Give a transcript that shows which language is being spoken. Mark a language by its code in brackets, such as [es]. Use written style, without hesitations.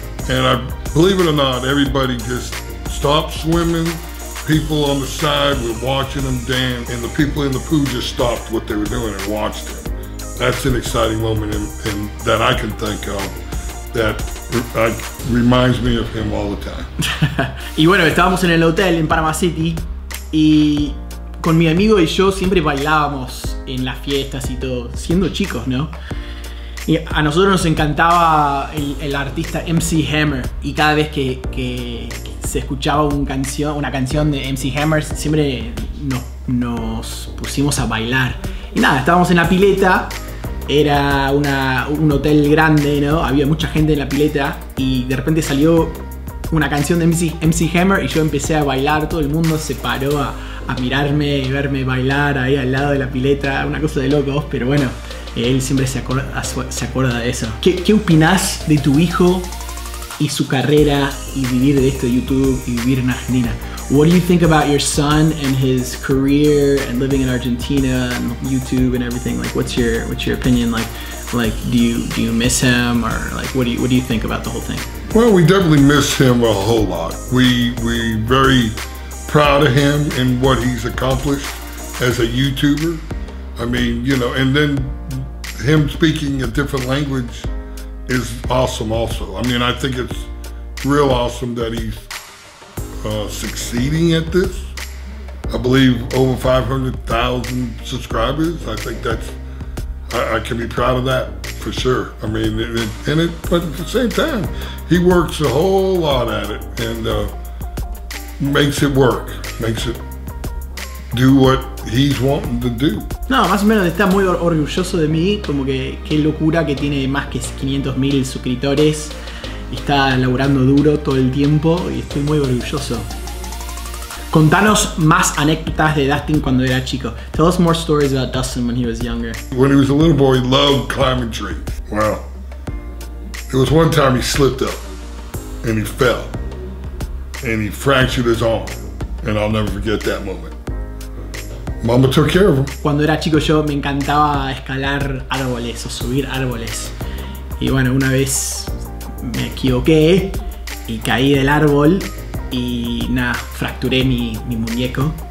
[en] And I believe it or not, everybody just stopped swimming. People on the side were watching him dance, and the people in the pool just stopped what they were doing and watched him. That's an exciting moment in that I can think of that reminds me of him all the time. [es] Y bueno, estábamos en el hotel en Panama City y con mi amigo y yo siempre bailábamos en las fiestas y todo, siendo chicos, ¿no? Y a nosotros nos encantaba el artista MC Hammer, y cada vez que se escuchaba una canción de MC Hammer, siempre nos pusimos a bailar. Y nada, estábamos en la pileta, era un hotel grande, ¿no? Había mucha gente en la pileta y de repente salió una canción de MC Hammer y yo empecé a bailar, todo el mundo se paró a mirarme y verme bailar ahí al lado de la pileta, una cosa de locos, pero bueno, él siempre se acuerda de eso. ¿Qué opinás de tu hijo y su carrera y vivir de esto de YouTube y vivir en Argentina? [en] What do you think about your son and his career and living in Argentina and YouTube and everything? Like, what's your opinion? Like, do you miss him, or like, what do you think about the whole thing? Well, we definitely miss him a whole lot. We very proud of him and what he's accomplished as a YouTuber. I mean, you know, and then him speaking a different language is awesome also. I mean, I think it's real awesome that he's succeeding at this. I believe over 500,000 subscribers. I think that's, I can be proud of that for sure. I mean, but at the same time, he works a whole lot at it and makes it work, makes it do what he's wanting to do. [es] No, más o menos está muy orgulloso de mí, como que qué locura que tiene más que 500,000 suscriptores. Está laburando duro todo el tiempo y estoy muy orgulloso. Contanos más anécdotas de Dustin cuando era chico. [en] Tell us more stories about Dustin when he was younger. When he was a little boy, he loved climbing trees. Well, there was one time he slipped up and he fell and he fractured his arm, and I'll never forget that moment. Mama took care of him. [es] Cuando era chico yo me encantaba escalar árboles o subir árboles. Y bueno, una vez me equivoqué y caí del árbol y nada, fracturé mi muñeco.